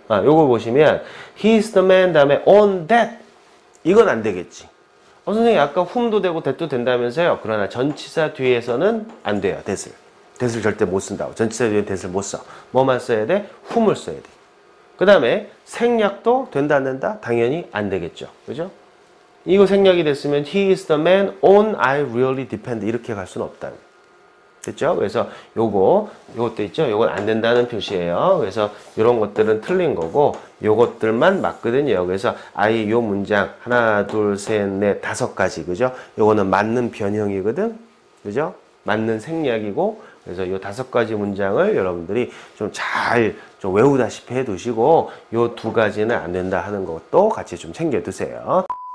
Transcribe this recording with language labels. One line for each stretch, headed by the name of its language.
Korean: 아, 요거 보시면 he's the man 다음에 on that 이건 안 되겠지. 어, 선생님 아까 whom도 되고 that도 된다면서요. 그러나 전치사 뒤에서는 안 돼요. that을. that을 절대 못 쓴다고. 전치사 뒤에 that을 못 써. 뭐만 써야 돼? whom을 써야 돼. 그다음에 생략도 된다 안 된다? 당연히 안 되겠죠. 그죠? 이거 생략이 됐으면
English: he is the man on I really depend
Korean: 이렇게 갈 수는 없다. 됐죠? 그래서 요거 요것도 있죠? 요건 안 된다는 표시예요. 그래서 요런 것들은 틀린 거고 요것들만 맞거든요. 그래서 아예 요 문장 하나 둘 셋 넷 다섯 가지 그죠? 요거는 맞는 변형이거든. 그죠? 맞는 생략이고 그래서 요 다섯 가지 문장을 여러분들이 좀 잘 좀 외우다시피 해두시고 요 두 가지는 안 된다 하는 것도 같이 좀 챙겨두세요.